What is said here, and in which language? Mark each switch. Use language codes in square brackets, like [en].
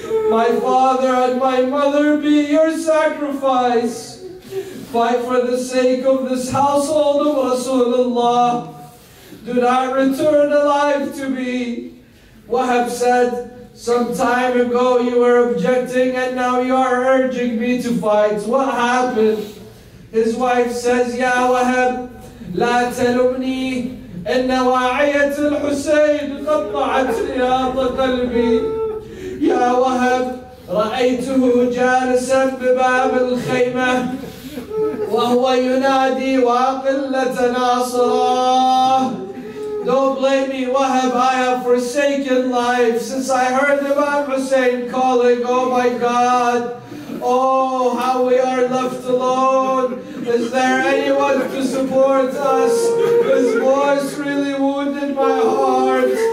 [en] My father and my mother, be your sacrifice. Fight for the sake of this household of Rasulullah. Do not return alive to me. Wahab said, some time ago you were objecting and now you are urging me to fight. What happened? His wife says, [ar] Ya Wahab, لا تلومني إن واعية الحسين قطعت رياض قلبي. يا وهب رأيته جالسا بباب الخيمة وهو ينادي وقلة ناصره. [en] Don't blame me, Wahab, I have forsaken life since I heard about Hussein calling. Oh my God, oh how we are left alone. Is there anyone to support us? His voice really wounded my heart.